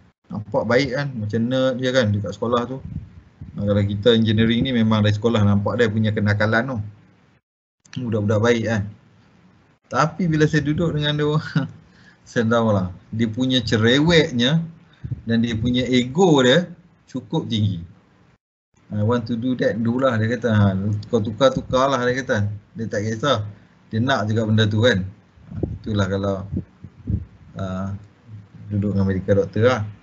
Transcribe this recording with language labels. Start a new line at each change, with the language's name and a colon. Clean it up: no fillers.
Malay: Nampak baik kan. Macam nerd dia kan dekat sekolah tu. Kalau kita engineering ni memang dari sekolah nampak dia punya kenakalan tu. Budak-budak baik kan. Tapi bila saya duduk dengan dia, sendawalah, dia punya cereweknya dan dia punya ego dia cukup tinggi.
English: I want to do that, do lah
Malay: dia kata. Kau tukar-tukarlah dia kata. Dia tak kisah. Dia nak juga benda tu kan. Itulah kalau duduk dengan medical doctor lah.